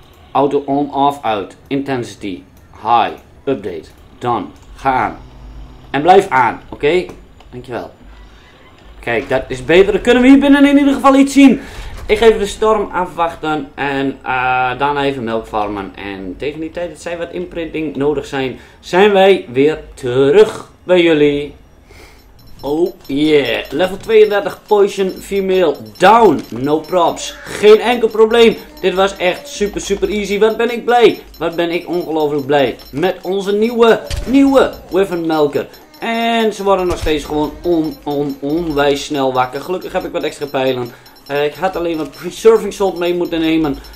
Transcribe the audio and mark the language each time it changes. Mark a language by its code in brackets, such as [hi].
[en] Auto on, off, out. Intensity. High. Update. Done. [nl] Ga aan. En blijf aan. Oké. Dankjewel. Kijk, dat is beter. Dan kunnen we hier binnen in ieder geval iets zien. Ik ga even de storm afwachten. En daarna even melk farmen. En tegen die tijd dat zij wat imprinting nodig zijn. Zijn wij weer terug bij jullie. [en] Oh yeah. Level 32 poison female down. No props. [nl] Geen enkel probleem. Dit was echt super super easy. Wat ben ik blij. Wat ben ik ongelooflijk blij. Met onze nieuwe Wyvern Melker. En ze worden nog steeds gewoon onwijs snel wakker. Gelukkig heb ik wat extra pijlen. Ik had alleen wat preserving salt mee moeten nemen.